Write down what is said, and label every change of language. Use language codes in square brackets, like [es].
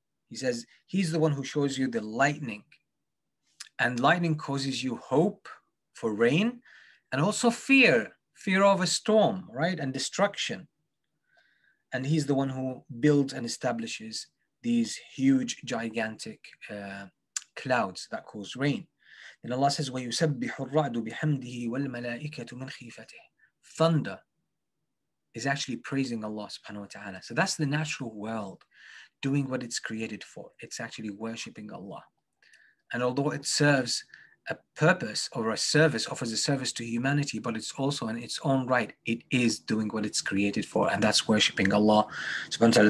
[en] He says, he's the one who shows you the lightning. And lightning causes you hope for rain, and also fear fear of a storm, right? And destruction. And he's the one who builds and establishes these huge, gigantic clouds that cause rain. Then Allah says, [ar] وَيُسَبِّحُ الرَّعْدُ بِحَمْدِهِ وَالْمَلَائِكَةُ مِنْ خِيفَتِهِ. [en] Thunder is actually praising Allah subhanahu wa ta'ala. So that's the natural world doing what it's created for. It's actually worshipping Allah. And although it serves a purpose or a service, offers a service to humanity, but it's also in its own right, it is doing what it's created for, and that's worshipping Allah subhanahu wa ta'ala.